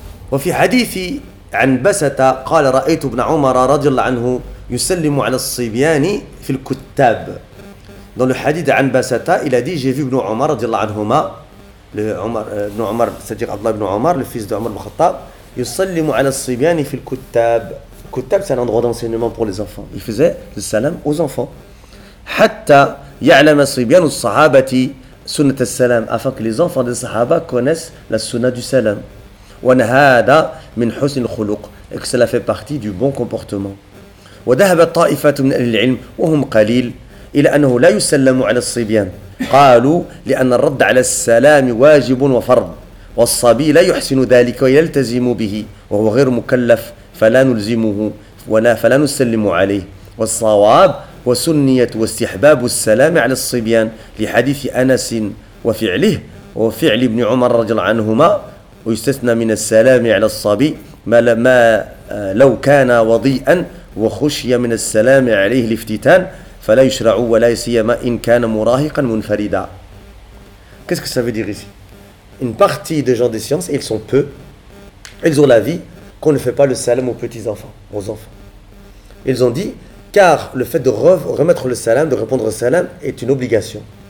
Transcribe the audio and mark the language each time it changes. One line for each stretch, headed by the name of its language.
Arabic: وفي حديث عن بسطة قال رأيت ابن عمر رضي الله عنه يسلم على الصبيان في الكتاب.
French: Dans le hadith عن بسطة, il a dit j'ai vu ibn Omar
Arabic: رضي الله عنهما,
French: c'est-à-dire Abdullah ibn Omar, le fils d'Omar al-Khattab,
Arabic: يصلي على الصبيان في الكتاب.
French: الكتاب c'est un endroit d'enseignement pour les enfants. Il faisait le salam aux enfants.
Arabic: حتى يعلم الصبيان الصحابة سنة السلام,
French: afin que les enfants des Sahaba connaissent la sunna du salam.
Arabic: وأن هذا من حسن الخلق,
French: et que cela fait partie du bon comportement.
Arabic: وذهب طائفة من أهل العلم وهم قليل إلى أنه لا يسلم على الصبيان. قالوا لأن الرد على السلام واجب وفرض. والصبي لا يحسن ذلك ويلتزم به وهو غير مكلف فلا نلزمه ولا فلا نسلم عليه. والصواب وسنية واستحباب السلام على الصبيان لحديث أنس وفعله وفعل ابن عمر رضي الله عنهما, ويستثنى من السلام على الصبي ما لو كان وضيئا وخشي من السلام عليه الافتتان فلا يشرع ولا سيما إن كان مراهقا منفردا.
French: Qu'est-ce que ça veut dire ici? Une partie des gens des sciences, ils sont peu, ils ont l'avis qu'on ne fait pas le salam aux petits-enfants, aux enfants. Ils ont dit, car le fait de remettre le salam, de répondre au salam, est une obligation.